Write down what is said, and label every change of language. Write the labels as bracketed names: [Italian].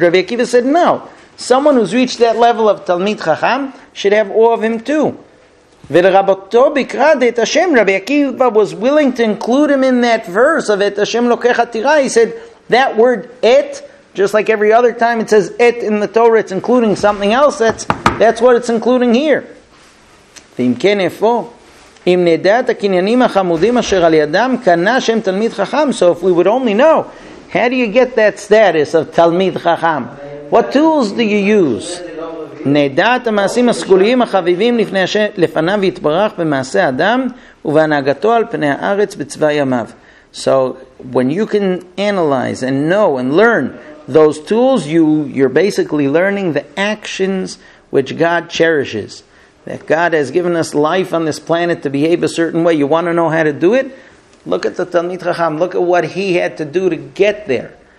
[English] Rabbi Akiva said, no. Someone who's reached that level of Talmid Chacham should have awe of him too. [Hebrew] V'l'rabokto b'kra d'et Hashem. [English] Rabbi Akiva was willing to include him in that verse of [Hebrew] et Hashem lokech atira. [English] He said, that word et, just like every other time it says et in the Torah, it's including something else. That's what it's including here. [Hebrew] ואם כן איפה, אם נדע את הקניינים החמודים אשר על ידם קנה שם תלמיד חכם. [English] So if we would only know, how do you get that status of תלמיד חכם? What tools do you use? [Hebrew] נדע את המעשים הסגוליים החביבים לפניו יתברך במעשה אדם ובהנהגתו על פני הארץ בצבא ימיו. [English] So when you can analyze and know and learn those tools, you're basically learning the actions which God cherishes. That God has given us life on this planet to behave a certain way. You want to know how to do it? Look at the Talmid Chacham. Look at what he had to do to get there.